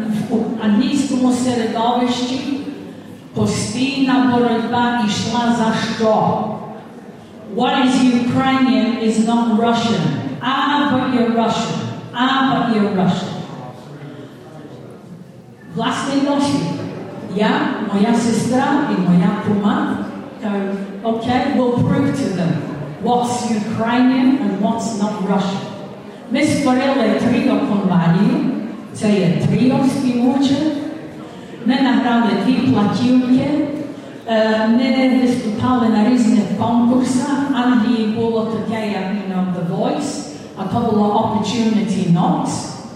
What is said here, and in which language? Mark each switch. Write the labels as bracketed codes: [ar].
[uk] В англійському середовищі постійна боротьба йшла за що? [en] What is Ukrainian is not Russian. Ah, but you're Russian. Ah, but you're Russian. [uk] Власне досі. Я, моя сестра і моя кума, [en] okay, we'll prove to them what's Ukrainian and what's not Russian. [uk] Ми створили тріо компанію, це є тріо співуче. Ми награли дві платівки, ми виступали на різних конкурсах. Англії було таке, як, you know, The Voice, а то було Opportunity Knocks.